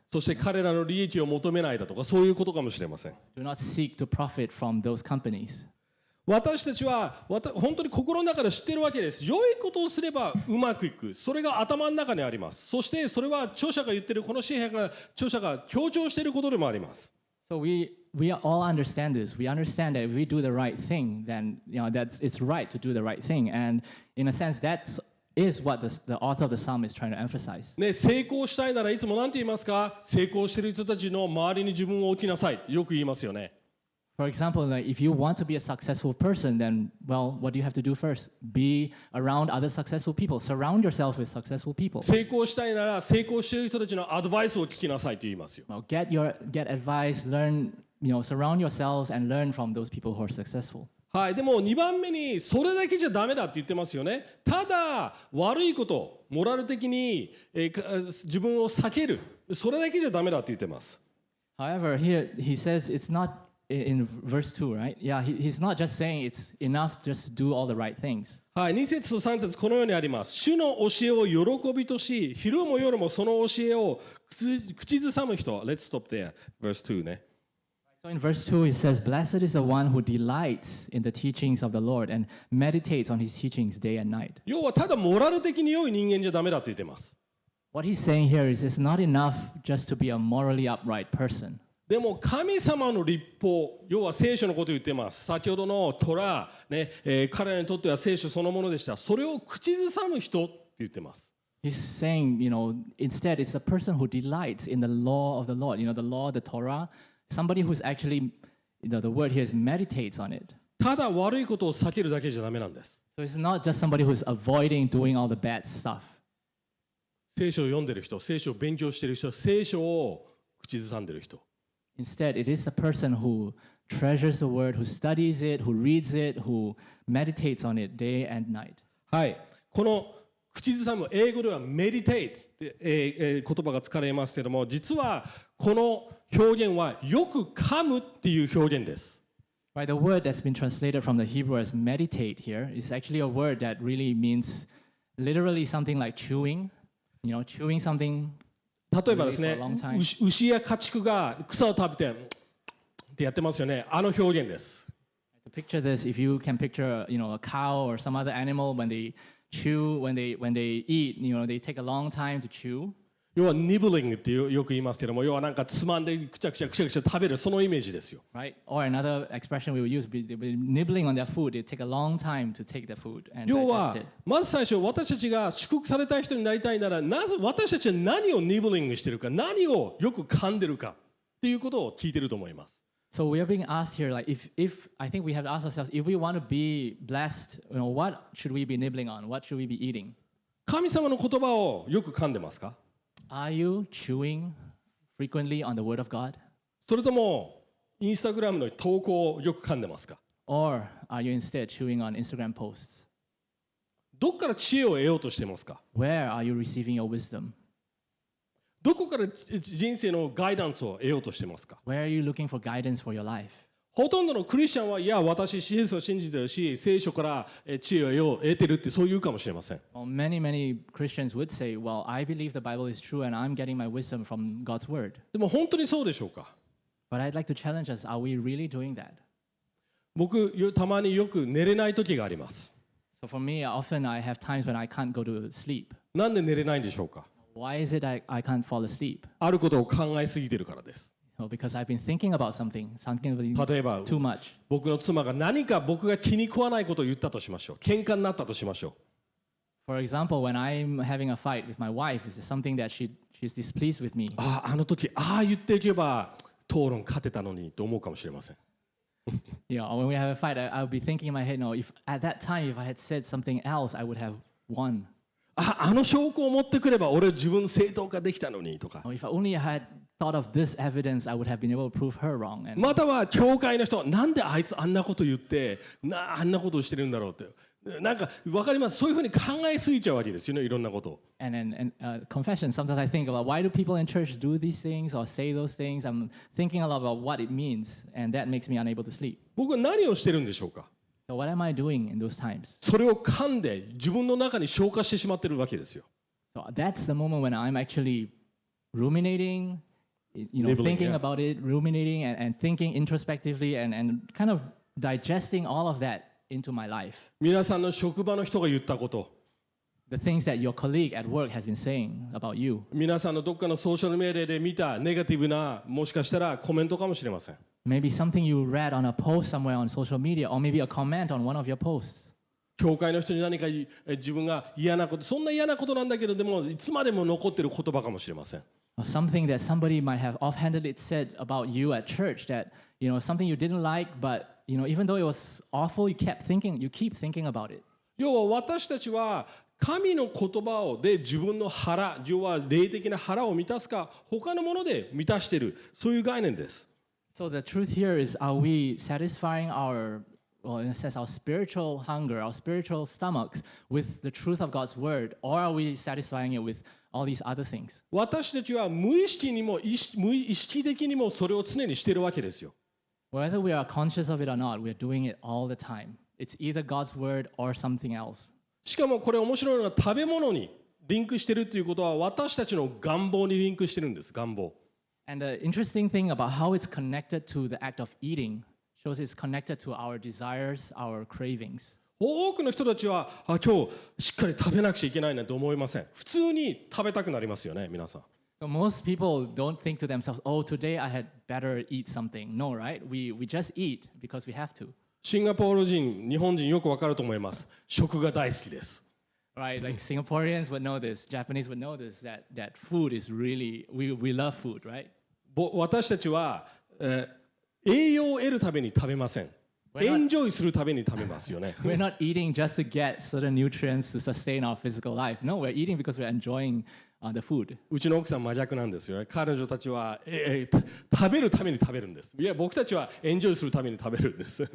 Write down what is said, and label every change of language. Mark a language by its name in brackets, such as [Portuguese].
[Japanese] そして彼らの利益を求めないだとか、そういうことかもしれません。 [English] Do not seek to profit from those companies. [Japanese] 私たちは本当に心の中で知ってるわけです。良いことをすればうまくいく。それが頭の中にあります。そしてそれは著者が言ってる、この詩編が著者が強調していることでもあります。 [English] So we all understand this. We understand that if we do the right thing, then you know that it's right to do the right thing. And in a sense, that is what the author of the psalm is trying to emphasize. [Japanese] ね、成功したいならいつも何て言いますか？成功している人たちの周りに自分を置きなさい。よく言いますよね。 [English] For example, like if you want to be a successful person, then well, what do you have to do first? Be around other successful people. Surround yourself with successful people. [Japanese] 成功したいなら成功している人たちのアドバイスを聞きなさいと言いますよ。 [English] Well, get advice, learn, you know, surround yourselves and learn from those people who are successful. [Japanese] はい、でも2番目にそれだけじゃダメだって言ってますよね。ただ悪いこと、モラル的に自分を避ける、それだけじゃダメだって言ってます。 [English] However, here he says it's not. In verse 2, right? Yeah, he's not just saying it's enough just to do all the right things. [Japanese] はい、2節と3節このようにあります。主の教えを喜びとし、昼も夜もその教えを口ずさむ人。 [English] Let's stop there. Verse 2ね。 So in verse 2, it says, Blessed is the one who delights in the teachings of the Lord and meditates on his teachings day and night. [Japanese] 要はただモラル的に良い人間じゃダメだって言ってます。 [English] What he's saying here is it's not enough just to be a morally upright person. [Japanese] でも神様の律法、要は聖書のことを言っています。先ほどのトラ、ね、彼らにとっては聖書そのものでした。それを口ずさむ人って言っています。 [English] He's saying, you know, instead it's a person who delights in the law of the Lord, you know, the law, the Torah, somebody who's actually, you know, the word here is meditates on it. [Japanese] ただ悪いことを避けるだけじゃダメなんです。 [English] So it's not just somebody who's avoiding doing all the bad stuff. [Japanese] 聖書を読んでる人、聖書を勉強してる人、聖書を口ずさんでる人。 [English] Instead, it is the person who treasures the word, who studies it, who reads it, who meditates on it day and night. [Japanese] はい。この口ずさむ、英語では meditate って、言葉が使われますけども、実はこの表現はよく噛むっていう表現です。 [English] Right, the word that's been translated from the Hebrew as meditate here is actually a word that really means literally something like chewing, you know, chewing something. [Japanese] 例えばですね、牛や家畜が草を食べてってやってますよね。あの表現です。 [English] Picture this, if you can picture, you know, a cow or some other animal when they chew, when they eat, you know, they take a long time to chew. [Japanese] 要は nibbling ってよく言いますけども、要はなんかつまんでくちゃくちゃくちゃくちゃ食べるそのイメージですよ。 [English] Right? Or another expression we will use, be nibbling on their food. They take a long time to take their food and digest it. [Japanese] 要はまず最初私たちが祝福された人になりたいなら、なぜ私たちは何を nibbling してるか、何をよく噛んでるかっていうことを聞いてると思います。 [English] So we are being asked here, like if I think we have to ask ourselves, if we want to be blessed, you know, what should we be nibbling on? What should we be eating? [Japanese] 神様の言葉をよく噛んでますか？ [English] Are you chewing frequently on the word of God? [Japanese] それともインスタグラムの投稿をよく噛んでますか? [English] Or are you instead chewing on Instagram posts? [Japanese] どこから知恵を得ようとしてますか? [English] Where are you receiving your wisdom? [Japanese] どこから人生のガイダンスを得ようとしてますか? [English] Where are you looking for guidance for your life? [Japanese] ほとんどのクリスチャンはいや私イエスを信じてるし聖書から知恵を得てるってそう言うかもしれません。 [English] Well, many Christians would say, well, I believe the Bible is true and I'm getting my wisdom from God's word. [Japanese] でも本当にそうでしょうか? [English] But I'd like to challenge us, are we really doing that? [Japanese] 僕たまによく寝れない時があります。 [English] So for me, often I have times when I can't go to sleep. [Japanese] なんで寝れないんでしょうか? [English] Why is it I can't fall asleep? [Japanese] あることを考えすぎてるからです。 [English] Well, because I've been thinking about something too much. [Japanese] 僕の妻が何か僕が気に食わないことを言ったとしましょう。喧嘩になったとしましょう。 [English] For example, when I'm having a fight with my wife, is there something that she's displeased with me? [Japanese] あの時ああ言っていけば討論勝てたのにと思うかもしれません。 [English] Yeah, when we have a fight, I'll be thinking in my head, no, if at that time if I had said something else, I would have won. [Japanese] あの証拠を持ってくれば俺自分正当化できたのにとか。 [English] If I only had thought of this evidence, I would have been able to prove her wrong. [Japanese] または教会の人、なんであいつあんなこと言って、あんなことをしてるんだろうって。なんか分かります。そういうふうに考えすぎちゃうわけですよね、いろんなことを。 [English] Confession, sometimes I think about why do people in church do these things or say those things? I'm thinking a lot about what it means, and that makes me unable to sleep. [Japanese] 僕は何をしてるんでしょうか? [English] So what am I doing in those times? [Japanese] それを噛んで自分の中に消化してしまってるわけですよ。 [English] So that's the moment when I'm actually ruminating, you know, thinking about it, ruminating and thinking introspectively and kind of digesting all of that into my life. [Japanese] 皆さんの職場の人が言ったこと。 [English] The things that your colleague at work has been saying about you. [Japanese] 皆さんのどっかのソーシャルメディアで見たネガティブなもしかしたらコメントかもしれません。 [English] Maybe something you read on a post somewhere on social media, or maybe a comment on one of your posts. [Japanese] 教会の人に何か自分が嫌なこと、そんな嫌なことなんだけど、でもいつまでも残ってる言葉かもしれません。 [English] Something that somebody might have offhandedly said about you at church that, you know, something you didn't like, but, you know, even though it was awful, you kept thinking, you keep thinking about it. [Japanese] 要は私たちは神の言葉をで自分の腹、要は霊的な腹を満たすか、他のもので満たしている、そういう概念です。 [English] So the truth here is, are we satisfying our, well, in a sense, our spiritual hunger, our spiritual stomachs with the truth of God's word, or are we satisfying it with all these other things? [Japanese] 私たちは無意識にも無意識的にもそれを常にしているわけですよ。 [English] Whether we are conscious of it or not, we are doing it all the time. It's either God's word or something else. [Japanese] しかもこれ面白いのが食べ物にリンクしているということは私たちの願望にリンクしているんです。願望。 [English] And the interesting thing about how it's connected to the act of eating shows it's connected to our desires, our cravings. [Japanese] 多くの人たちは今日しっかり食べなくちゃいけないなと思いません。普通に食べたくなりますよね、皆さん。 [English] So most people don't think to themselves, oh, today I had better eat something. No, right? We just eat because we have to. [Japanese] シンガポール人、日本人よくわかると思います。食が大好きです。 [English] Right, like Singaporeans would know this, Japanese would know this, that food is really, we love food, right? [Japanese] 私たちは、栄養を得るために食べません。エンジョイするために食べますよね。 [English] We're not eating just to get certain nutrients to sustain our physical life. No, we're eating because we're enjoying the food. [Japanese] うちの奥さん真逆なんですよ。彼女たちは、食べるために食べるんです。いや、僕たちはエンジョイするために食べるんです。